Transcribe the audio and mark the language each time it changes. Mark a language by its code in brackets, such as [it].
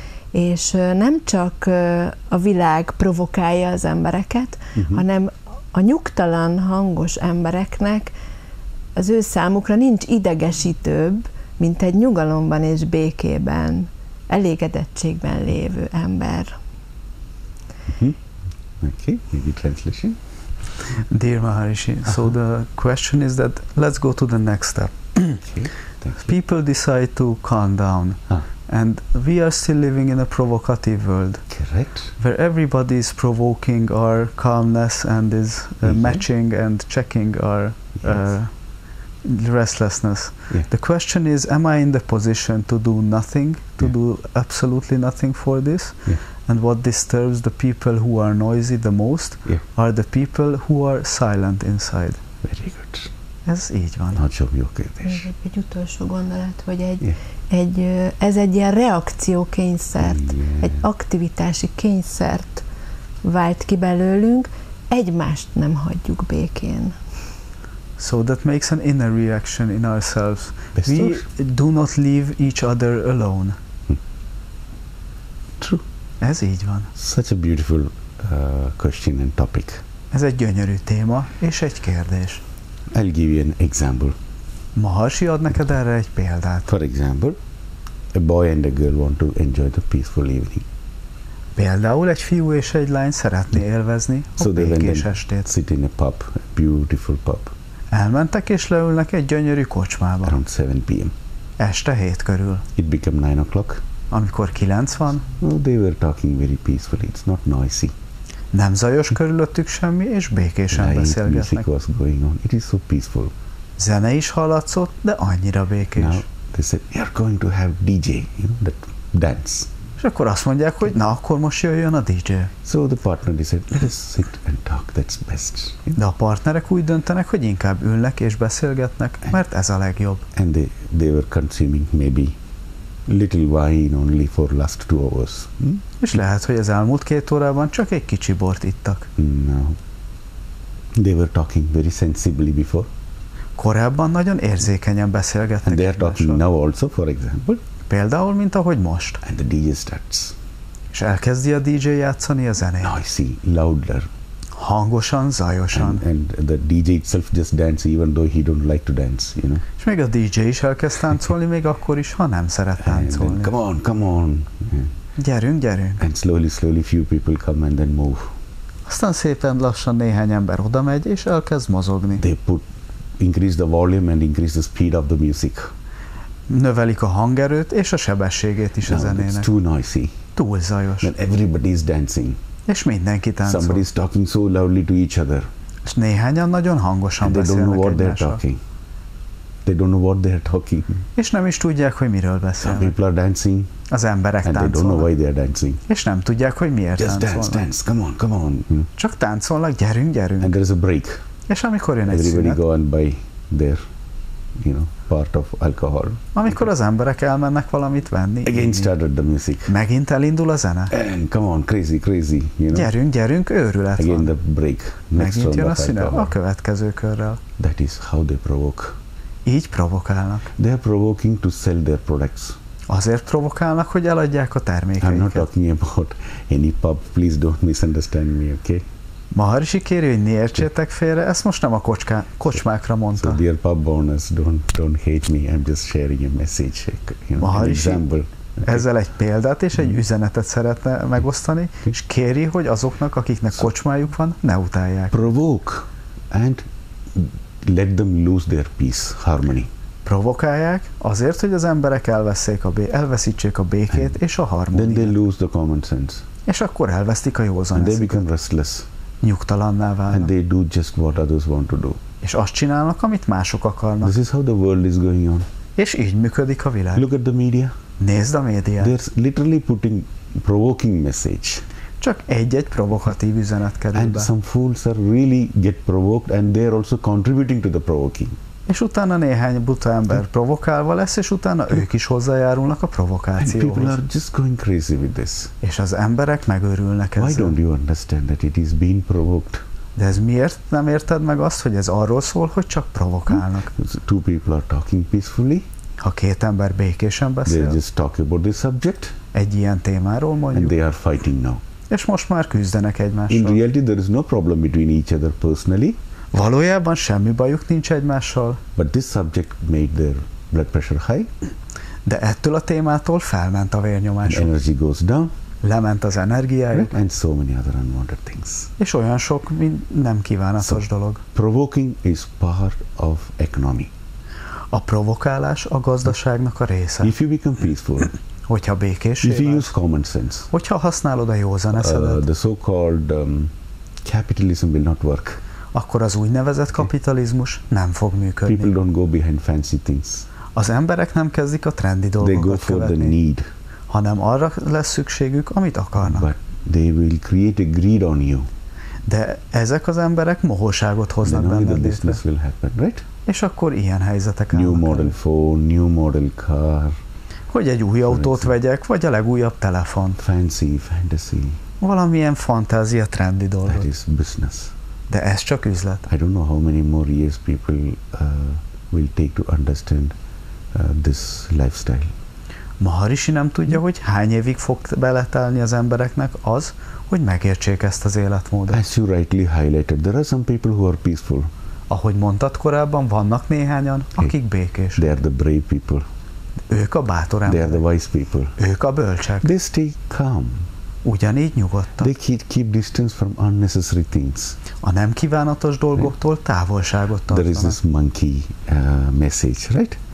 [hu] És nem csak a világ provokálja az embereket, hanem a nyugtalan, hangos embereknek az ő számukra nincs idegesítőbb, mint egy nyugalomban és békében, elégedettségben lévő ember. [en] Okay, maybe translation. Dear Maharishi, so the question is that, let's go to the next step. People decide to calm down. And we are still living in a provocative world. Correct. Where everybody is provoking our calmness and is matching and checking our restlessness. Yeah. The question is, am I in the position to do nothing, to do absolutely nothing for this? Yeah. And what disturbs the people who are noisy the most are the people who are silent inside. Very good. [hu] Ez így van. Nagyon jó kérdés. Egy utolsó gondolat, hogy ez egy ilyen reakciókényszert, egy aktivitási kényszert vált ki belőlünk, egymást nem hagyjuk békén. [en] So that makes an inner reaction in ourselves. [hu] Biztos? [en] We do not leave each other alone. True. [hu] Ez így van. [en] Such a beautiful question and topic. [hu] Ez egy gyönyörű téma és egy kérdés. [en] I'll give you an example. [hu] Maharshi ad neked erre egy példát. [en] For example, a boy and a girl want to enjoy the peaceful evening. [hu] Például egy fiú és egy lány szeretné élvezni a békés estét. [en] Sit in a pub, a beautiful pub. [hu] Elmentek és leülnek egy gyönyörű kocsmába. [en] Around 7 p.m. [hu] Este 7 körül. [en] It became 9 o'clock. [hu] Amikor 9 van. [en] Well, they were talking very peacefully, it's not noisy. [hu] Nem zajos körülöttük semmi, és békésen beszélgetnek. [en] Music was going on. It is so peaceful. [hu] Zene is hallatszott, de annyira békés. [en] Now they said, we are going to have DJ, you know, that dance. [hu] És akkor azt mondják, hogy na, akkor most jöjjön a DJ. [en] So the partner, they said, let us sit and talk, that's best. [hu] De a partnerek úgy döntenek, hogy inkább ülnek és beszélgetnek, mert ez a legjobb. [en] And they were consuming maybe little wine only for last 2 hours. [hu] És lehet, hogy az elmúlt 2 órában csak egy kicsi bort ittak. [en] No. They were talking very sensibly before. [hu] Korábban nagyon érzékenyen beszélgetnek. [en] And they are talking now also, for example. [hu] Például, mint ahogy most. [en] And the DJ starts. [hu] És elkezdi a DJ játszani a zenét. [en] Noisy, louder. [hu] Hangosan, zajosan. [en] And the DJ itself just dance, even though he don't like to dance, you know. [hu] És még a DJ is elkezd táncolni, még akkor is, ha nem szeret táncolni. [en] Then, come on, come on. [hu] Gyerünk, gyerünk. [en] And slowly, slowly few people come and then move. [hu] Aztán szépen lassan néhány ember oda megy és elkezd mozogni. [en] They put, increase the volume and increase the speed of the music. [hu] Növelik a hangerőt és a sebességét is no, a zenének. [en] It's too noisy. [hu] Túl zajos. [en] Then everybody is dancing. [hu] És mindenki táncol. [en] Somebody is talking so loudly to each other. [hu] És néhányan nagyon hangosan [en] and [hu] beszélnek egymással. [en] They don't know what they're talking. They don't know what they are talking. [hu] És nem is tudják, hogy miről beszélnek. [en] Some people are dancing. [hu] Az emberek táncolnak. [en] And they don't know why they are dancing. [hu] És nem tudják, hogy miért táncolnak. [en] Just dance, dance. Come on, come on. [hu] Csak táncolnak, gyerünk, gyerünk. [en] And there is a break. [hu] És amikor jön egy szünet. [en] Everybody go and buy their, you know, part of alcohol. [hu] Amikor az emberek elmennek valamit venni. [en] Again started the music. [hu] Megint elindul a zene. [en] And come on, crazy, crazy. You know? [hu] Gyerünk, gyerünk, őrület [en] again [hu] van. [en] Again the break. Next [hu] megint jön a szünet [en] alcohol. [hu] A következő körrel. [en] That is how they provoke. [hu] Így provokálnak. [en] They are provoking to sell their products. [hu] Azért provokálnak, hogy eladják a termékeiket. [en] I'm not talking about any pub. Please don't misunderstand me, okay? [hu] Maharishi kéri, hogy ne értsétek félre, ezt most nem a kocsmákra mondta. [en] So dear pub owners, don't hate me. I'm just sharing a message, you know, [hu] Maharishi [en] an example. [hu] Ezzel egy példát és egy üzenetet szeretne megosztani, és kéri, hogy azoknak, akiknek kocsmájuk van, ne utálják. [en] Provoke and let them lose their peace, harmony. [hu] Provokálják azért, hogy az emberek elveszítsék a békét [en] and [hu] és a harmóniát. [en] Then they lose the common sense. [hu] És akkor elvesztik a józanesüket. [en] They become restless. [hu] Nyugtalanná válnak. [en] And they do just what others want to do. [hu] És azt csinálnak, amit mások akarnak. [en] This is how the world is going on. [hu] És így működik a világ. [en] Look at the media. [hu] Nézd a médiát. [en] They're literally putting provoking message. [hu] Csak egy-egy provokatív üzenet kerül [en] and [hu] be. [en] And some fools are really get provoked and they're also contributing to the provoking. [hu] És utána néhány buta ember provokálva lesz, és utána ők is hozzájárulnak a provokációhoz. [en] And people are just going crazy with this. [hu] És az emberek megőrülnek ezzel. [en] Why don't you understand that it is being provoked? [hu] De ez miért nem érted meg azt, hogy ez arról szól, hogy csak provokálnak? [en] Two people are talking peacefully. [hu] Ha két ember békésen beszél. [en] They just talk about this subject. [hu] Egy ilyen témáról mondjuk. [en] And they are fighting now. [hu] És most már küzdenek egymással. [en] In reality there is no problem between each other personally. [hu] Valójában semmi bajuk nincs egymással. [en] But this subject made their blood pressure high. [hu] De ettől a témától felment a vérnyomásuk. [en] The energy goes down. [hu] Lement az energiájuk. [en] And so many other unwanted things. [hu] És olyan sok, mint nem kívánatos dolog. [en] Provoking is part of economy. [hu] A provokálás a gazdaságnak a része. [en] If you become peaceful. [hu] Hogyha békésé válsz. [en] If you use common sense. [hu] Hogyha használod a józan eszedet. [en] The so-called capitalism will not work. [hu] Akkor az úgynevezett kapitalizmus nem fog működni. [en] People don't go behind fancy things. [hu] Az emberek nem kezdik a trendi dolgokat [en] They go for [hu] követni, [en] the need. [hu] Hanem arra lesz szükségük, amit akarnak. [en] But they will create a greed on you. [hu] De ezek az emberek mohóságot hoznak benned létre. [en] The business will happen, right? [hu] És akkor ilyen helyzetek [en] New model el. Phone, new model car. [hu] Hogy egy új autót vegyek, vagy a legújabb telefont. [en] Fancy, fantasy. [hu] Valamilyen fantázia, trendi dolgok. [en] That is business. [hu] De ez csak üzlet. [en] I don't know how many more years people will take to understand this lifestyle. [hu] Maharishi nem tudja, hogy hány évig fog beletelni az embereknek az, hogy megértsék ezt az életmódot. [en] As you rightly highlighted, there are some people who are peaceful. [hu] Ahogy mondtad korábban, vannak néhányan, akik békés. [en] They are the brave people. [hu] Ők a bátor emberek. [en] They are the wise people. [hu] Ők a bölcsek. [en] They stay calm. [hu] Ugyanígy nyugodtan. [en] They keep distance from unnecessary things. [hu] A nem kívánatos dolgoktól távolságot tartanak. [en] There is this monkey message, right?